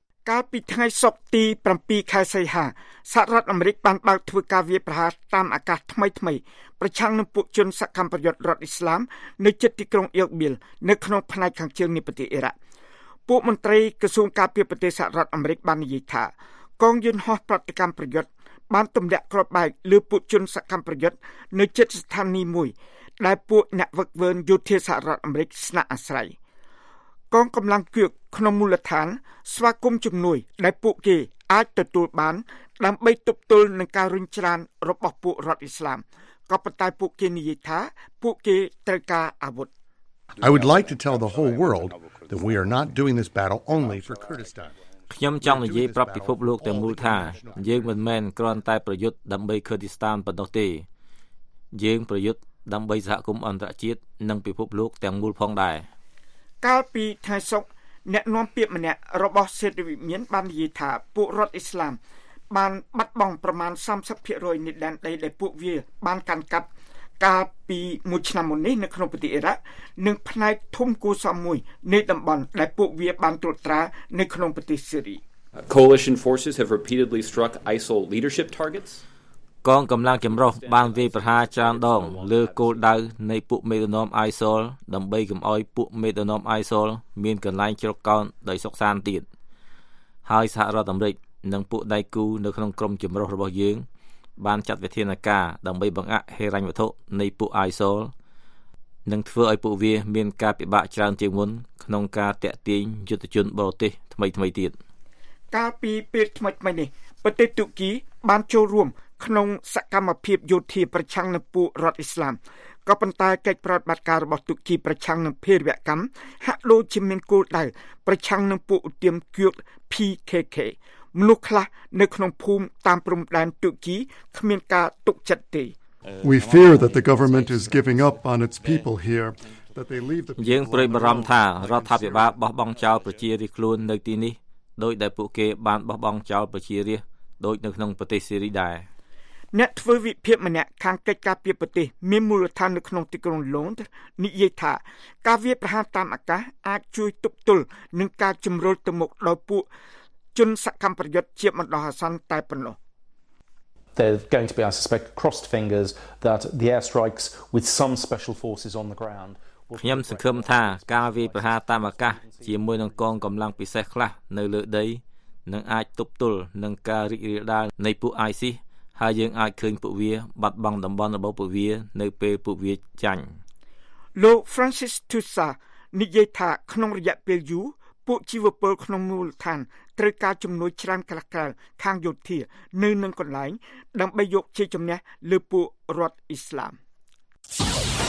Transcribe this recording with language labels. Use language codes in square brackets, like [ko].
[km] កាលពីថ្ងៃសុក្រទី7ខែសីហាសហរដ្ឋអាមេរិកបានបើកធ្វើការវាយប្រហារតាមអាកាសថ្មីៗប្រឆាំងនឹងពួកជនសកម្មប្រយុទ្ធរដ្ឋអ៊ីស្លាមនៅជិតទីក្រុងអ៊ីកប៊ីលនៅក្នុងផ្នែកខាងជើងនៃប្រទេសអ៊ីរ៉ាក់ពួកមន្ត្រីក្រសួងការពារប្រទេសសហរដ្ឋអាមេរិកបាននិយាយថាកងយន្តហោះប្រតិកម្មប្រយុទ្ធបានទម្លាក់គ្រាប់បែកលើពួកជនសកម្មប្រយុទ្ធនៅជិតស្ថានីយ៍មួយដែលពួកអ្នកវឹកវើយោធាសហរដ្ឋអាមេរិកស្នាក់អាស្រ័យ កងកម្លាំងគឹកក្នុងមូលដ្ឋានស្វាគមន៍ជំនួយដែលពួកគេអាចទទួលបានដើម្បីទប់ទល់នឹងការរញ្ច្រានរបស់ពួករដ្ឋអ៊ីស្លាមក៏ប៉ុន្តែពួកគេនិយាយថាពួកគេត្រូវការអាវុធ [en] I would like to tell the whole world that we are not doing this battle only for Kurdistan [km] ខ្ញុំចង់និយាយប្រាប់ពិភពលោកទាំងមូលថាយើងមិនមែនគ្រាន់តែប្រយុទ្ធដើម្បីឃើទីស្ថានប៉ុណ្ណោះទេយើងប្រយុទ្ធដើម្បីសហគមន៍អន្តរជាតិនិងពិភពលោកទាំងមូលផងដែរ កាលពីថ្ងៃសុក្រអ្នកនាំពាក្យម្នាក់របស់សេតវិមានបាននិយាយថាពួករដ្ឋអ៊ីស្លាមបានបាត់បង់ប្រមាណ 30% នៃដែនដីដែលពួកវាបានកាន់កាប់កាលពីមួយឆ្នាំមុននេះនៅក្នុងប្រទេសអ៊ីរ៉ាក់និងផ្នែកធំគួរសមមួយនៃតំបន់ដែលពួកវាបានត្រួតត្រានៅក្នុងប្រទេសសេរី [en] Coalition forces have repeatedly struck ISIL leadership targets [km] កងកម្លាំងចម្រុះបានវាយប្រហារច្រើនដងលើគោលដៅនៃពួកមេដឹកនាំ ISIL ដើម្បីកុំឲ្យពួកមេដឹកនាំ ISIL មានកន្លែងជ្រកកោនដោយសុខសាន្តទៀតហើយសហរដ្ឋអាមេរិកនិងពួកដៃគូនៅក្នុងក្រុមចម្រុះរបស់យើងបានចាត់វិធានការដើម្បីបង្អាក់ហេរញ្ញវត្ថុនៃពួក ISIL និងធ្វើឲ្យពួកវាមានការពិបាកច្រើនជាងមុនក្នុងការទាក់ទាញយុទ្ធជនបរទេសថ្មីថ្មីទៀត កាលពីពេលថ្មីថ្មីនេះប្រទេសតុរ្គីបានចូលរួមក្នុងសកម្មភាពយោធាប្រឆាំងនឹងពួករដ្ឋអ៊ីស្លាមក៏ប៉ុន្តែកិច្ចប្រតិបត្តិការរបស់ទូតគីប្រឆាំងនឹងភេរវកម្មហាក់ដូចជាមានគោលដៅប្រឆាំងនឹងពួកឧទ្ទាមគឿក PKK មនុស្សខ្លះនៅក្នុងភូមិតាមព្រំដែនទូតគីគ្មានការទុកចិត្តទេ [en] We fear that the government is giving up on its people here that they leave the [km] យើងព្រួយបារម្ភថារដ្ឋាភិបាលបោះបង់ចោលប្រជារាស្ត្រខ្លួននៅទីនេះដោយដែលពួកគេបានបោះបង់ចោលប្រជារាស្ត្រដូចនៅក្នុងប្រទេសសេរីដែរ អ្នកធ្វើវិភាគម្នាក់ខាងកិច្ចការពីប្រទេសមានមូលដ្ឋាននៅក្នុងទីក្រុងឡូនដែលថាការវាយប្រហារតាមអាកាសអាចជួយទប់ទល់នឹងការជំរុញទៅមុខដោយពួកជនសកម្មប្រយុទ្ធជាបណ្ដោះអាសន្នតែប៉ុណ្ណោះ [en] They're going to be I suspect crossed fingers that the air strikes with some special forces on the ground [km] ខ្ញុំសង្ឃឹមថាការវាយប្រហារតាមអាកាសជាមួយនឹងកងកម្លាំងពិសេសខ្លះនៅលើដីនឹងអាចទប់ទល់នឹងការរីករាលដាលនៃពួក ISIS ហើយយើងអាចឃើញពួកវាបាត់បង់តំបន់របស់ពួកវានៅពេលពួកវាចាញ់លោក Francis Tusa និយាយថាក្នុងរយៈពេលយូរពួកជីវពលក្នុងមូលដ្ឋានត្រូវការជំនួយច្រើនខ្លាំងខាងយោធានៅនឹងកន្លែងដើម្បីយកជ័យជំនះលើពួករដ្ឋអ៊ីស្លាម